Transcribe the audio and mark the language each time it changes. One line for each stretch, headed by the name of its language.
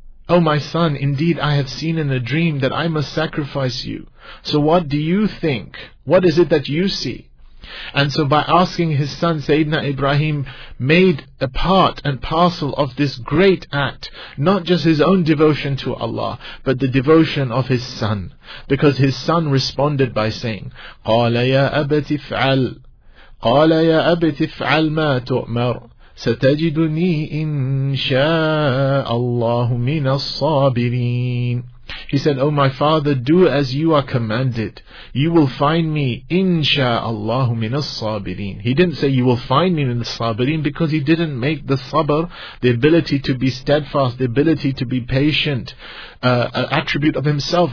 English: O my son, indeed I have seen in a dream that I must sacrifice you. So what do you think? What is it that you see? And so by asking his son, Sayyidina Ibrahim made a part and parcel of this great act, not just his own devotion to Allah, but the devotion of his son. Because his son responded by saying,
Arabic: قَالَ يَا أَبَتِ فَعَلْ قَالَ يَا أَبَتِ فَعَلْ مَا تُؤْمَرْ سَتَجِدُنِي إِن شَاءَ اللَّهُ مِنَ الصَّابِرِينَ.
English: He said, O my father, do as you are commanded. You will find me, insha'Allah, min as-sabirin. He didn't say you will find me in the sabirin, because he didn't make the sabr, the ability to be steadfast, the ability to be patient, an attribute of himself.